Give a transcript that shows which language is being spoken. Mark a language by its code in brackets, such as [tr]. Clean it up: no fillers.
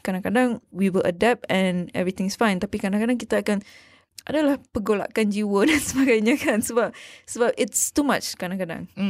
[en] Kadang-kadang we will adapt and everything's fine. [ms] Tapi kadang-kadang kita akan adalah pergolakan jiwa dan sebagainya kan. [en] Sebab it's too much kadang-kadang.